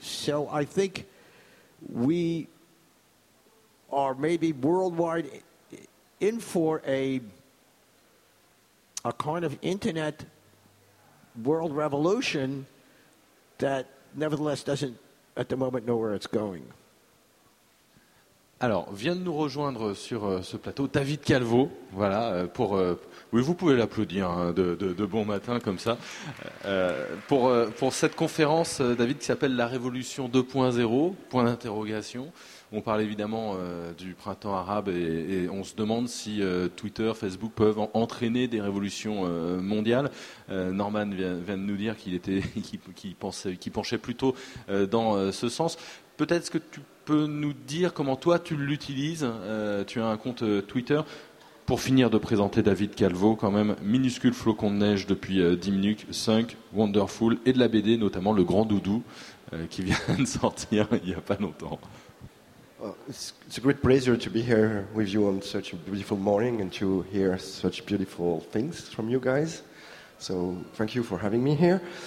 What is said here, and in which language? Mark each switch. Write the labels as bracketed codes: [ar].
[en] So I think we are maybe worldwide in for a kind of internet world revolution that nevertheless doesn't at the moment know where it's going. [fr] Alors, viens de nous rejoindre sur ce plateau, David Calvo. Voilà, pour oui, vous pouvez l'applaudir hein, de bon matin comme ça. Pour cette conférence, David, qui s'appelle La Révolution 2.0, point d'interrogation. On parle évidemment du printemps arabe et on se demande si Twitter, Facebook peuvent entraîner des révolutions mondiales. Norman vient de nous dire qu'il penchait plutôt dans ce sens. Peut-être est-ce que tu peux nous dire comment toi tu l'utilises. Tu as un compte Twitter. Pour finir de présenter David Calvo, quand même, minuscule flocon de neige depuis 10 minutes, 5, Wonderful, et de la BD, notamment Le Grand Doudou, qui vient de sortir il n'y a pas longtemps. [en] It's a great pleasure to be here with you on such a beautiful morning and to hear such beautiful things from you guys. So, thank you for having me here.